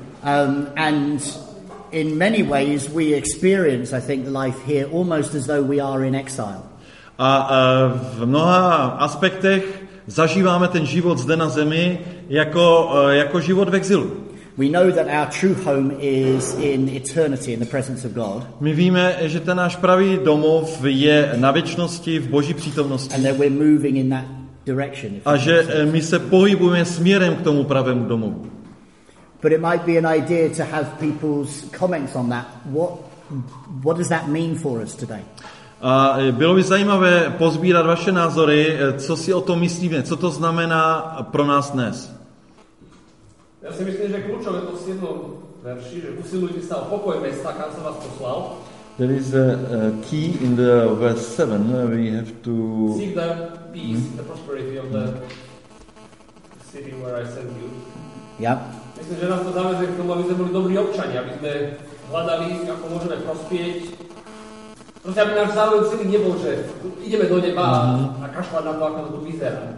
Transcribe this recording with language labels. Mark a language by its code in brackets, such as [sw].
[en] And in many ways we experience, I think, life here almost as though we are in exile. [cs] A v mnoha aspektech zažíváme ten život zde na zemi jako život v exilu. [en] We know that our true home is in eternity in the presence of God. [cs] My víme, že ten náš pravý domov je na věčnosti v Boží přítomnosti. [en] And that we're moving in that direction. [cs] A že my se pohybujeme směrem k tomu pravému domovu. [en] But it might be an idea to have people's comments on that. What does that mean for us today? [cs] A bylo by zajímavé pozbírat vaše názory, co si o tom myslíme, co to znamená pro nás dnes. Já si myslím, že klíčové to si jedno verši, že usilujte se o pokoj města, kam jsem vás poslal. [en] There is a key in the verse 7, we have to... Seek the peace, the prosperity of the city where I send you. Yep. [cs] Myslím, že nás to zavezuje k tomu, aby jsme byli dobrý občani, aby jsme hledali, jak můžeme prospět. [sk] Protože aby náš záujem celý nebol, že ideme do neba a kašľať na to, ako to tu vyzerá.